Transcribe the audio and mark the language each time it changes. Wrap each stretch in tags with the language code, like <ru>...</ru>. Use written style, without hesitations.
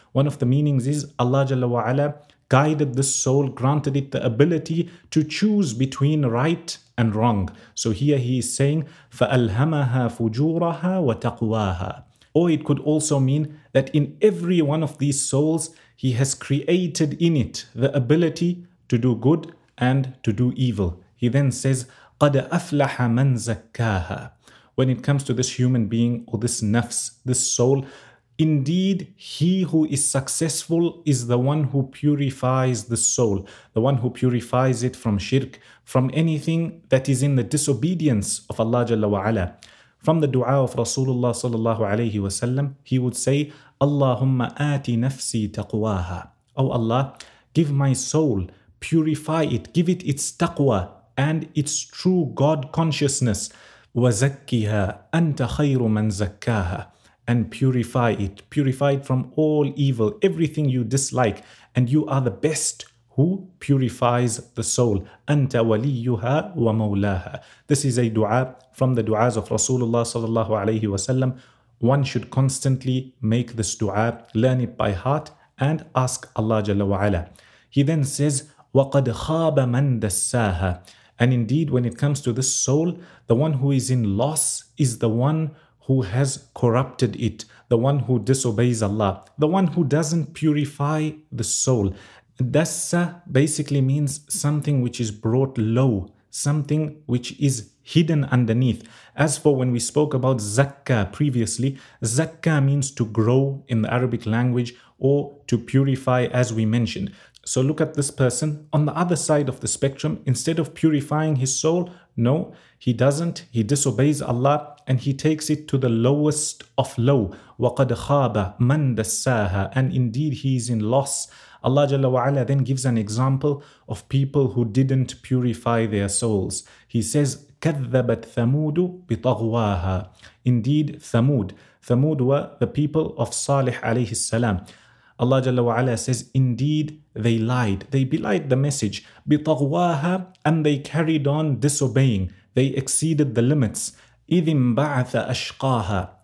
<en>One of the meanings is Allah Jalla wa Ala guided the soul, granted it the ability to choose between right and wrong. So here he is saying,</en> <ar>فَأَلْهَمَهَا فُجُورَهَا وَتَقْوَاهَا.</ar> <en>Or it could also mean that in every one of these souls, he has created in it the ability to do good and to do evil. He then says,</en> <ar>قَدْ أَفْلَحَ مَنْ زَكَّاهَا.</ar> <en>When it comes to this human being or this nafs, this soul, indeed he who is successful is the one who purifies the soul, the one who purifies it from shirk, from anything that is in the disobedience of Allah Jalla wa Ala. From the dua of Rasulullah sallallahu alayhi wa sallam, he would say,</en> <ar>اللَّهُمَّ آتِ نَفْسِي تَقْوَاهَا.</ar> <en>O Allah, give my soul, purify it, give it its taqwa and its true God consciousness.</en> <ar>وَزَكِّهَا أَنْتَ خَيْرُ مَنْ زَكَّاهَا.</ar> <en>And purify it from all evil, everything you dislike, and you are the best who purifies the soul.</en> <ar>أنت وليها ومولاها.</ar> <en>This is a dua from the du'as of Rasulullah sallallahu alayhi wa sallam. One should constantly make this dua, learn it by heart, and ask Allah jalla wa ala. He then says,</en> <ar>وَقَدْ خَابَ مَنْ دَسَّاهَا.</ar> <en>And indeed, when it comes to this soul, the one who is in loss is the one who has corrupted it, the one who disobeys Allah, the one who doesn't purify the soul. Dassa basically means something which is brought low, something which is hidden underneath. As for when we spoke about zakka previously, zakka means to grow in the Arabic language or to purify, as we mentioned. So look at this person on the other side of the spectrum. Instead of purifying his soul, no, he doesn't. He disobeys Allah and he takes it to the lowest of low.</en> <ar>وَقَدْ خَابَ مَنْ دَسَّاهَا.</ar> <en>And indeed he is in loss. Allah Jalla wa Ala then gives an example of people who didn't purify their souls. He says,</en> <ar>كَذَّبَتْ ثَمُودُ بِطَغْوَاهَا.</ar> <en>Indeed, Thamud. Thamud were the people of Salih alayhi salam. Allah Jalla wa Ala says, indeed, they lied. They belied the message.</en> <ar>بِطَغْوَاهَا.</ar> <en>And they carried on disobeying. They exceeded the limits.</en> <ar>إِذْ بَعَثَ أَشْقَاهَا.</ar>